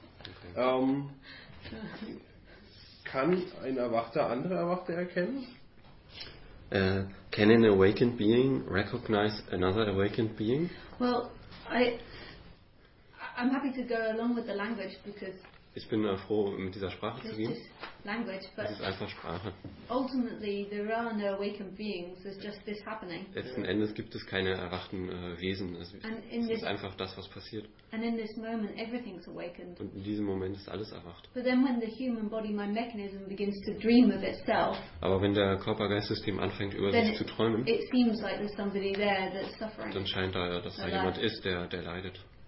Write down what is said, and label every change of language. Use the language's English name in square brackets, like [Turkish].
[English] Okay. [German] Kann ein Erwachter andere Erwachte erkennen? [English] Can an awakened being recognize another awakened being? Well, I'm happy to go along with the language because. [German] Ich bin froh, mit dieser Sprache zu gehen. [English] Language, [German] es ist einfach Sprache. [English] Ultimately, there are no awakened beings. It's just this happening. [German] Letzten Endes gibt es keine erwachten Wesen. Es ist einfach das, was passiert. [English] And in this moment, everything's awakened. [German] Und in diesem Moment ist alles erwacht. [English] But then when the human body-mind mechanism begins to dream of itself, [German] aber wenn der Körper-Geist-System anfängt, über sich zu träumen, [English] it seems like there's somebody there that's suffering. [German] Dann scheint da, dass da jemand ist, der leidet.